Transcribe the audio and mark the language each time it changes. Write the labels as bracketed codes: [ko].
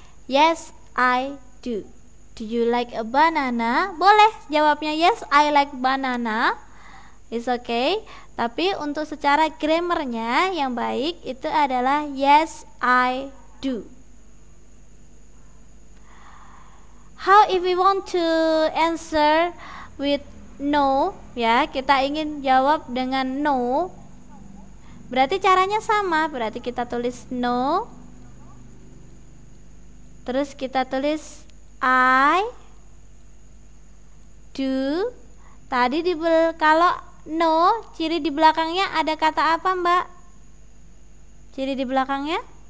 [en] Yes, I do. Do you like a banana? [id] Boleh, jawabnya [en] yes, I like banana. It's okay. [id] Tapi untuk secara grammarnya yang baik itu adalah [en] yes, I do. How if we want to answer with no? [id] Ya, kita ingin jawab dengan no. Berarti caranya sama, berarti kita tulis no. Terus kita tulis [en] I do. [id] Tadi di kalau no, ciri di belakangnya ada kata apa, Mbak? Ciri di belakangnya?